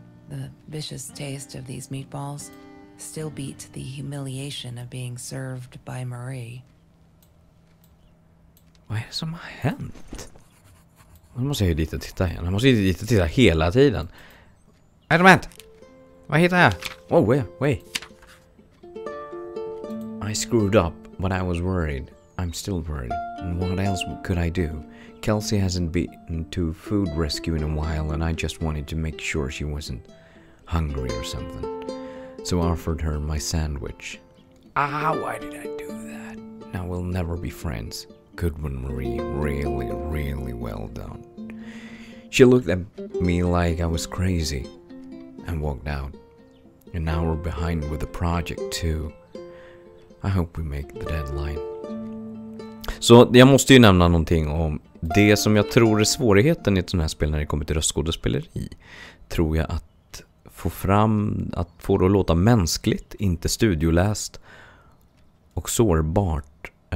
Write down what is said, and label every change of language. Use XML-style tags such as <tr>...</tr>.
<en>The vicious taste of these meatballs still beat the humiliation of being served by Marie.</en> <sv>Vad är det som har hänt? Nu måste jag ju dit och titta igen. Jag måste ju dit och titta hela tiden. Är det vad hittar jag?</sv> <en>Oh, wait. I screwed up, but I was worried. I'm still worried. And what else could I do? Kelsey hasn't been to food rescue in a while, and I just wanted to make sure she wasn't hungry or something. So I offered her my sandwich. Ah, why did I do that? Now we'll never be friends. Good one, Marie. Really, really well done. She looked at me like I was crazy and walked out. And now we're behind with the project too. I hope we make the deadline.</en> <sv>Så jag måste ju nämna någonting om det som jag tror är svårigheten i ett sånt här spel när det kommer till röstskådespeleri. Tror jag att få fram, att få det att låta mänskligt, inte studioläst och sårbart.</sv>